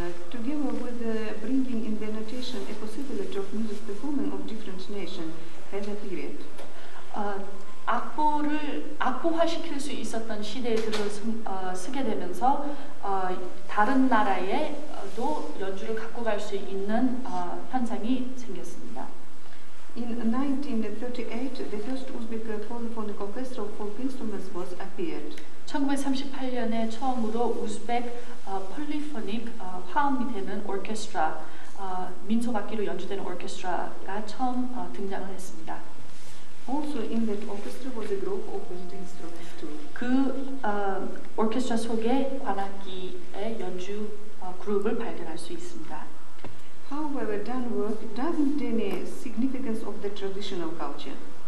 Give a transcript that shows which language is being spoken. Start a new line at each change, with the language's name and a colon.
English: Together with bringing in the notation, a possibility of music performing of different nations has appeared.
Korean: 악보를 악보화시킬 수 있었던 시대에 들어서게 되면서 다른 나라에도 연주를 갖고 갈 수 있는 현상이 생겼습니다.
English: In 1938, the first Uzbek polyphonic orchestra of folk instruments was appeared.
Korean: 1938년에 처음으로 우즈벡 폴리포닉 화음이 되는 오케스트라, 민속 악기로 연주되는 오케스트라가 처음 등장을 했습니다.
English: Also in that orchestra was a group of wind instruments too.
Korean: 그 오케스트라 속에 관악기의 연주 그룹을 발견할 수 있습니다.
English: However, Dan work doesn't deny significance of the traditional culture.